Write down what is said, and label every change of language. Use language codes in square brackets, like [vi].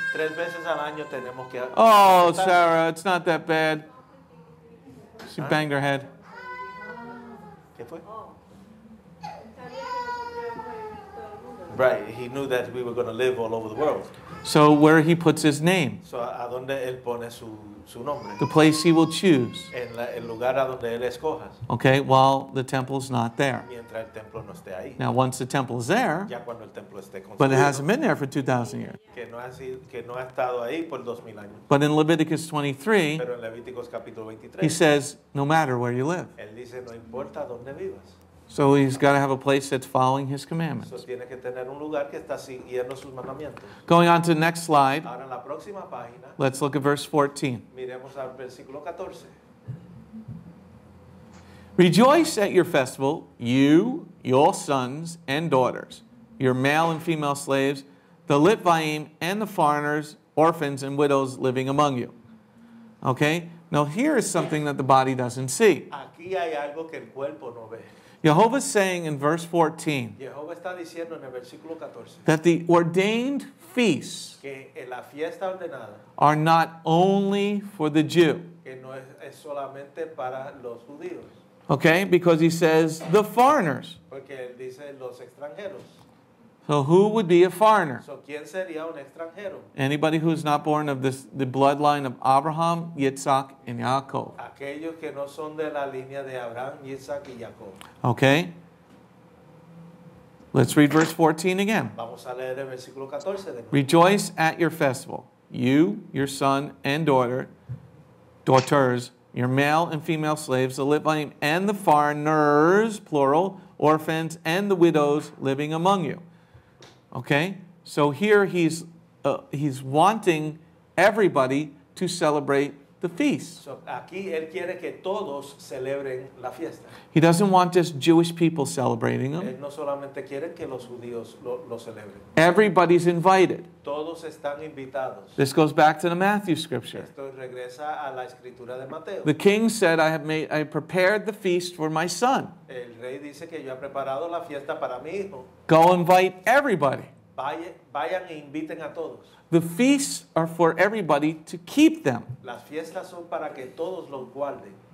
[es] Tres veces al año tenemos que... [en] Oh, Sarah, it's not that bad. She banged her head. [es] ¿Qué fue? [en] Right, he knew that we were going to live all over the world. So where he puts his name? [es] So a donde él pone su, su nombre? [en] The place he will choose. [es] En la, el lugar a donde él escojas. [en] Okay, while the temple's not there. [es] Mientras el templo no esté ahí. [en] Now once the temple's there, [es] ya cuando el templo esté construido, [en] but it hasn't been there for 2,000 years. [es] Que no ha sido, que no ha estado ahí por 2,000 años. [en] But in Leviticus 23, [es] pero en Levíticos capítulo 23, [en] he says, no matter where you live. [es] Él dice, no importa donde vivas. [en] So he's got to have a place that's following his commandments. [es] So tiene que tener un lugar que está siguiendo sus mandamientos. [en] Going on to the next slide. [es] Ahora en la próxima página, [en] let's look at verse 14. [es] Miremos al versículo 14. [en] Rejoice at your festival, you, your sons and daughters, your male and female slaves, the Litvaim, and the foreigners, orphans, and widows living among you. Okay? Now here is something that the body doesn't see. [es] Aquí hay algo que el cuerpo no ve. [en] Jehovah's saying in verse 14, [es] Jehovah está diciendo en el versículo 14 [en] that the ordained feasts [es] que en la fiesta ordenada [en] are not only for the Jew. [es] Que no es, es solamente para los judíos. [en] Okay, because he says the foreigners. [es] Porque él dice los extranjeros. [en] So who would be a foreigner? [es] So ¿quién sería un extranjero? [en] Anybody who's not born of this, the bloodline of Abraham, Yitzhak, and Yaakov. [es] Aquellos que no son de la línea de Abraham, Yitzhak, y Jacob. [en] Okay. Let's read verse 14 again. [es] Vamos a leer el versículo 14 de nuevo. [en] Rejoice at your festival, you, your son, and daughters, your male and female slaves, the Levites, and the foreigners, plural, orphans, and the widows living among you. Okay, so here he's wanting everybody to celebrate the feast. [es] So aquí él quiere que todos celebren la fiesta. [en] He doesn't want just Jewish people celebrating them. [es] Él no solamente quiere que los judíos lo celebren. [en] Everybody's invited. [es] Todos están invitados. [en] This goes back to the Matthew scripture. [es] Esto regresa a la escritura de Mateo. [en] The king said, I prepared the feast for my son. [es] El rey dice que yo he preparado la fiesta para mi hijo. [en] Go invite everybody. [es] Vayan e inviten a todos. [en] The feasts are for everybody to keep them. [es] Las fiestas son para que todos los guarden.